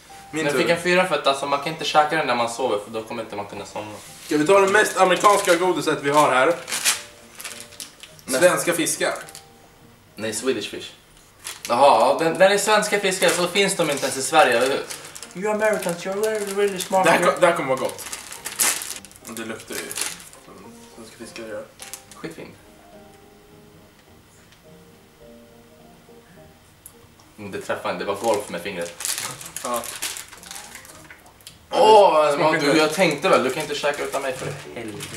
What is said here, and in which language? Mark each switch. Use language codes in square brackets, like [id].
[sv] Min jag tur. Fick en 4 för att alltså, man kan inte käka den när man sover, för då kommer inte man kunna somna. Ska vi ta det mest amerikanska godiset vi har här? Svenska fiskar. Nej, Swedish fish. Jaha, den är svenska fiskar, så finns de inte ens i Sverige, eller hur? [en] You Americans, you're really, really smart. [sv] Det här kommer vara gott. Det luktar ju svenska fiskar gör. Skitfint. Det träffade inte, det var golf med fingret. Ja. Åh, jag tänkte väl, du kan inte käka utan mig för helvete.